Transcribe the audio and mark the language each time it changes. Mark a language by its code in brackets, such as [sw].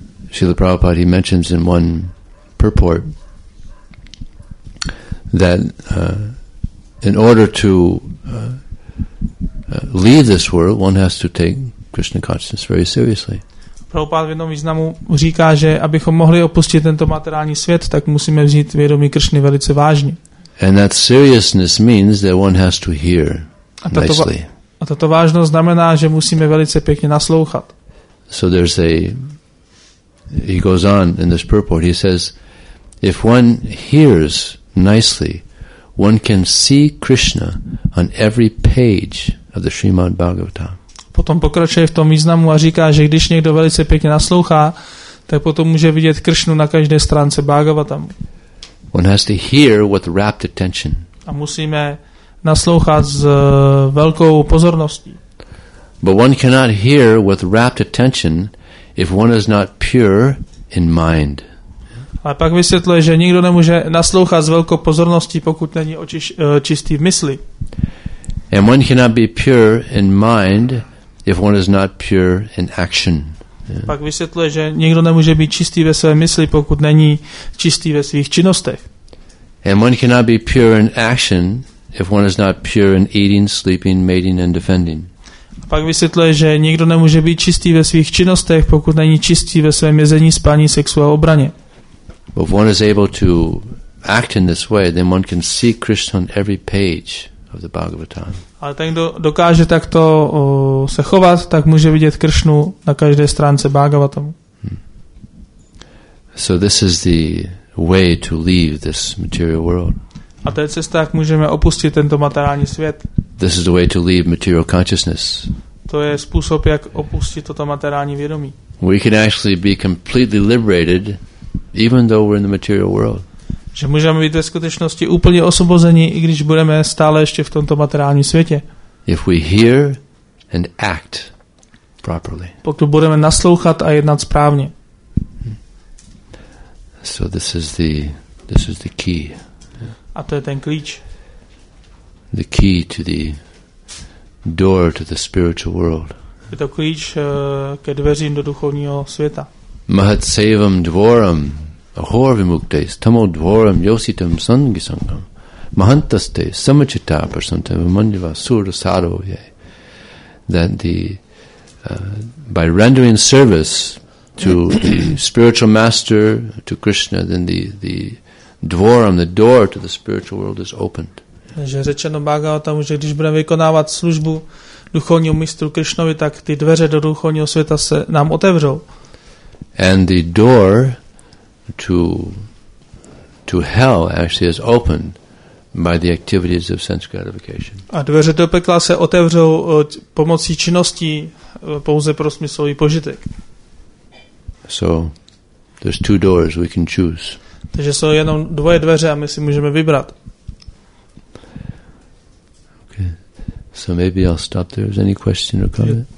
[en] Srila Prabhupada, he mentions in one purport that in order to leave this world, one has to take Krishna consciousness very seriously. [cs] Prabhupada v jednom významu říká, že abychom mohli opustit tento materiální svět, tak musíme vzít vědomí Kršny velice vážně. [en] And that seriousness means that one has to hear nicely. [cs] A tato vážnost znamená, že musíme velice pěkně naslouchat. [en] So there's a, he goes on in this purport, he says, if one hears nicely, one can see Krishna on every page of the Srimad Bhagavatam. [cs] Potom pokračuje v tom významu a říká, že když někdo velice pěkně naslouchá, tak potom může vidět Kršnu na každé stránce Bhagavatamu. [en] One has to hear with rapt attention. [cs] A musíme naslouchat s velkou pozorností. [en] But one cannot hear with rapt attention if one is not pure in mind. [cs] Ale pak vysvětluje, že nikdo nemůže naslouchat s velkou pozorností, pokud není čistý v mysli. [en] And one cannot be pure in mind if one is not pure in action. Yeah. [cs] Pak vysvětluje, že nikdo nemůže být čistý ve své mysli, pokud není čistý ve svých činnostech. [en] And one cannot be pure in action if one is not pure in eating, sleeping, mating and defending. [cs] Pak vysvětluje, že nikdo nemůže být čistý ve svých činnostech, pokud není čistý ve svém jezení, spání, sexu a obraně. [en] But if one is able to act in this way, then one can see Krishna on every page of the Bhagavatam. [cs] Ale ten, kdo dokáže takto se chovat, tak může vidět Kršnu na každé stránce Bhagavatamu. [en] So this is the way to leave this material world. [cs] A to je cesta, jak můžeme opustit tento materiální svět. [en] This is the way to leave material consciousness. [cs] To je způsob, jak opustit toto materiální vědomí. [en] We can actually be completely liberated, even though we're in the material world. [cs] Že můžeme být ve skutečnosti úplně osvobození, i když budeme stále ještě v tomto materiálním světě. [en] If we hear and act properly. [cs] Pokud budeme naslouchat a jednat správně. [en] So this is the key. [cs] A to je ten klíč. [en] The key to the door to the spiritual world. [cs] Je to klíč ke dveřím do duchovního světa. [sa] Mahatsevam dvoram ahor vimuktes tamo dvoram yositam sangisangam mahantaste samachita prasantam mandiva sura sarovye. [en] That the by rendering service to the spiritual master, to Krishna, then the dvoram, the door to the spiritual world is opened. [cs] Že řečeno Bhagavatam, že když budeme vykonávat službu duchovního mistru Krishnovi, tak ty dveře do duchovního světa se nám otevřou. [en] And the door to hell actually is opened by the activities of sense gratification. [cs] A dveře do pekla se otevřou pomocí činností pouze pro smyslový požitek. [en] So there's two doors we can choose. [cs] Takže jsou jenom dvoje dveře a my si můžeme vybrat. [en] Okay. So maybe I'll stop there. Is any question or comment?